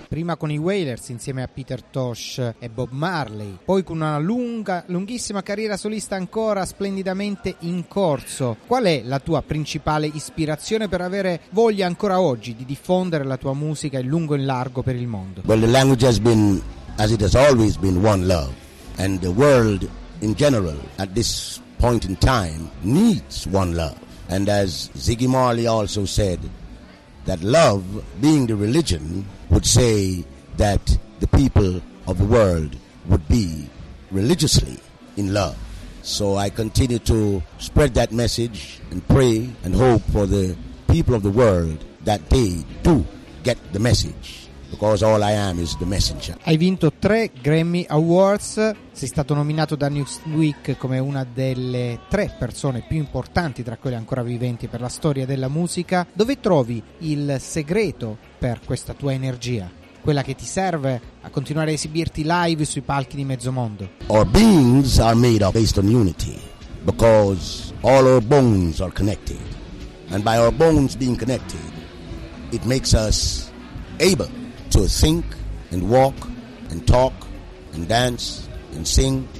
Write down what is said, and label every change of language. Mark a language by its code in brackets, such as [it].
[it] Prima con i Wailers insieme a Peter Tosh e Bob Marley, poi con una lunghissima carriera solista ancora splendidamente in corso. Qual è la tua principale ispirazione per avere voglia ancora oggi di diffondere la tua musica in lungo e in largo per il mondo? [en] Well, the language has been, as it has always been, one love, and the world in general at this point in time needs one love. And as Ziggy Marley also said, that love being the religion would say that the people of the world would be religiously in love. So I continue to spread that message and pray and hope for the people of the world that they do get the message, because all I am is the messenger. [it] Hai vinto 3 Grammy Awards, sei stato nominato da Newsweek come una delle 3 persone più importanti tra quelle ancora viventi per la storia della musica. Dove trovi il segreto per questa tua energia, quella che ti serve a continuare a esibirti live sui palchi di mezzo mondo? [en] Our beings are made up based on unity, because all our bones are connected, and by our bones being connected, it makes us able to think and walk and talk and dance and sing.